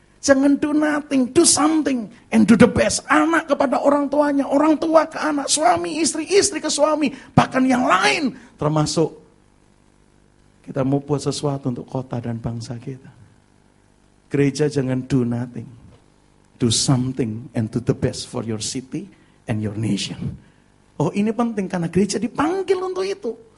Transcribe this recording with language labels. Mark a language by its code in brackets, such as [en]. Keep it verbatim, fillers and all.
[id] Jangan [en] do nothing, do something and do the best. [id] Anak kepada orang tuanya, orang tua ke anak, suami, istri, istri ke suami. Bahkan yang lain termasuk kita mau buat sesuatu untuk kota dan bangsa kita. Gereja jangan [en] do nothing, do something and do the best for your city and your nation. [id] Oh ini penting karena gereja dipanggil untuk itu.